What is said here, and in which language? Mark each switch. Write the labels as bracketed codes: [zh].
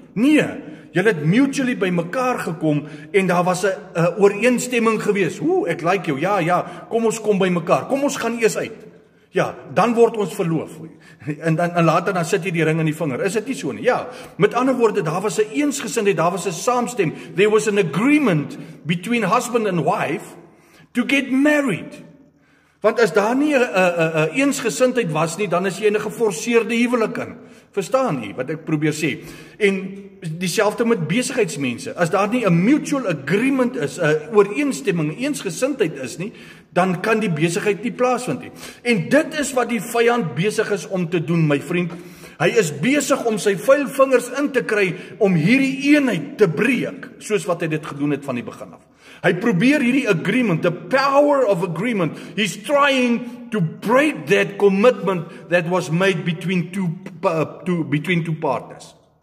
[af] Nee, jy het mutually by mekaar gekom en daar was 'n ooreenstemming gewees. Ooh, ek like jou, ja, kom ons kom by mekaar, kom ons gaan eers uit. Ja, dan word ons verloof. En later dan sit jy die ring in die vinger. Is dit nie so nie? Ja, met ander woorde, daar was 'n eensgesindheid, daar was 'n saamstem. [en] There was an agreement between husband and wife to get married. [af] Want as daar nie 'n eensgesindheid was nie, dan is jy in 'n geforseerde huwelik in. Verstaan jy wat ek probeer sê? En dieselfde met besigheidsmense. As daar nie 'n mutual agreement is, 'n ooreenstemming, eensgesindheid is nie, dan kan die besigheid nie plaasvind nie. En dit is wat die vyand besig is om te doen, my vriend. Hy is besig om sy vuil vingers in te kry om hierdie eenheid te breek, soos wat hy dit gedoen het van die begin af. Hy probeer hierdie agreement, [en] the power of agreement, he's trying to break that commitment that was made between two partners.